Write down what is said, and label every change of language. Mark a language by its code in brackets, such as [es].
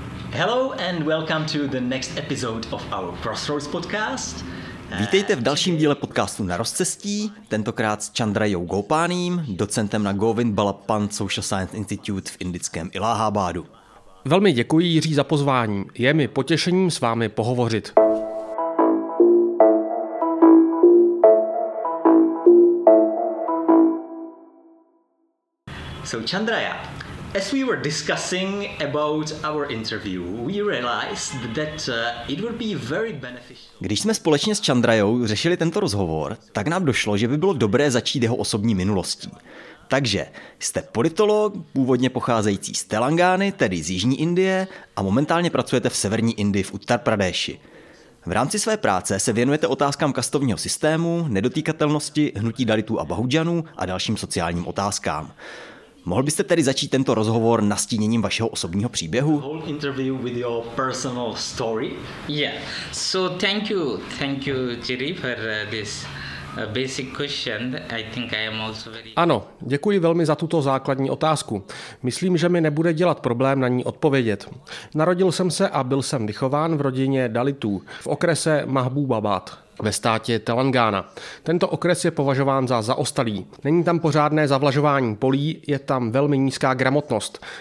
[en] Hello and welcome to the next episode of our Crossroads podcast. [cs] Vítejte v dalším díle podcastu Na rozcestí, tentokrát s Chandrajou Gopáním, docentem na Govind Balapan Social Science Institute v indickém Ilahabadu. Velmi děkuji, Jiří, za pozvání. Je mi potěšením s vámi pohovořit. [en] So Chandraiah, as we were discussing about our interview, we realized that it would be very beneficial. [cs] Když jsme společně s Chandrajou řešili tento rozhovor, tak nám došlo, že by bylo dobré začít jeho osobní minulostí. Takže jste politolog, původně pocházející z Telangány, tedy z jižní Indie, a momentálně pracujete v severní Indii v Uttar Pradeshi. V rámci své práce se věnujete otázkám kastovního systému, nedotýkatelnosti, hnutí dalitů a bahudžanů a dalším sociálním otázkám. Mohl byste tedy začít tento rozhovor nastíněním vašeho osobního příběhu? [en] The whole interview with your personal story. Yeah. So thank you Jiri for this basic question. I think I am also very. [cs] Ano, děkuji velmi za tuto základní otázku. Myslím, že mi nebude dělat problém na ní odpovědět. Narodil jsem se a byl jsem vychován v rodině dalitů v okrese Mahbubabad ve státě Telangána. Tento okres je považován za zaostalý. Není tam pořádné zavlažování polí, je tam velmi nízká gramotnost.